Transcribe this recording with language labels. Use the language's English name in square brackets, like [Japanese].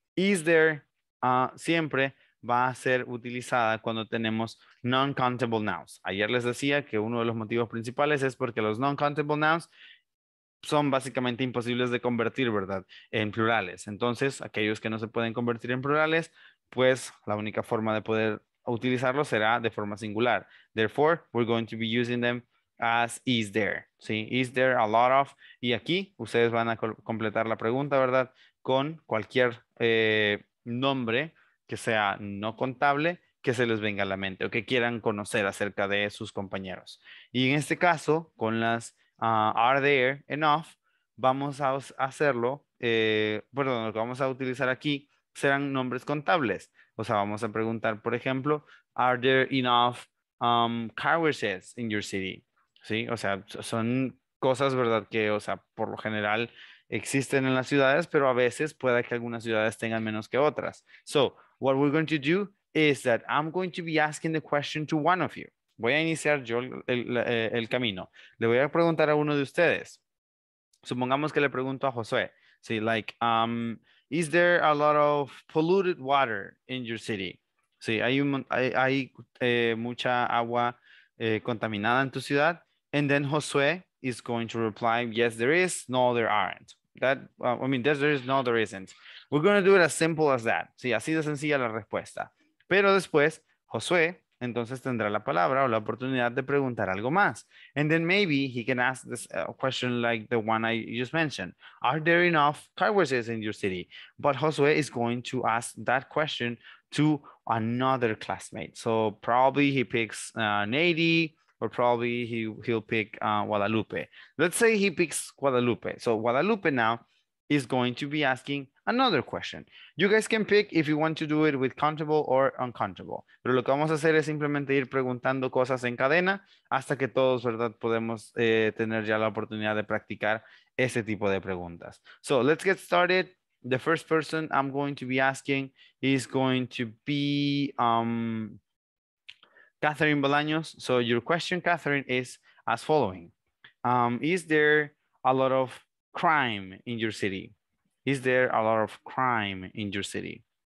[Spanish] Is there siempre va a ser utilizada cuando tenemos non-countable nouns. Ayer les decía que uno de los motivos principales es porque los non-countable nouns son básicamente imposibles de convertir, ¿verdad?, en plurales. Entonces, aquellos que no se pueden convertir en plurales, pues la única forma de poder utilizarlos será de forma singular. [English] Therefore, we're going to be using them as is there. ¿Sí? Is there a lot of? [Spanish] Y aquí ustedes van a completar la pregunta, ¿verdad?, con cualquier nombre que sea no contable, que se les venga a la mente o que quieran conocer acerca de sus compañeros. Y en este caso, con las are there enough, vamos a hacerlo, perdón, lo que vamos a utilizar aquí serán nombres contables. O sea, vamos a preguntar, por ejemplo, [English] are there enough car washes in your city? [Spanish] ¿Sí? O sea, son cosas, ¿verdad?, que, o sea, por lo general existen en las ciudades, pero a veces puede que algunas ciudades tengan menos que otras. [English] So, what we're going to do is that I'm going to be asking the question to one of you. [Spanish] Voy a iniciar yo el camino. Le voy a preguntar a uno de ustedes. Supongamos que le pregunto a Josué. ¿Sí? [English] Like, is there a lot of polluted water in your city? ¿Sí? [Spanish] ¿Hay mucha agua contaminada en tu ciudad? [English] And then Josué is going to reply, yes, there is. No, there aren't. There isn't. We're going to do it as simple as that. [Spanish] Sí, así de sencilla la respuesta. Pero después, Josué entonces tendrá la palabra o la oportunidad de preguntar algo más. [English] And then maybe he can ask this question like the one I just mentioned. Are there enough car washes in your city? But Josué is going to ask that question to another classmate. So probably he picks Nady, or probably he'll pick Guadalupe. Let's say he picks Guadalupe. So Guadalupe now is going to be asking another question. You guys can pick if you want to do it with countable or uncountable. [Spanish] Pero lo que vamos a hacer es simplemente ir preguntando cosas en cadena hasta que todos, ¿verdad?, podemos tener ya la oportunidad de practicar ese tipo de preguntas. [English] So let's get started. The first person I'm going to be asking is going to be Catherine Bolaños. So your question, Catherine, is as following. Is there a lot of crime in your city? Is there a lot of crime in your city?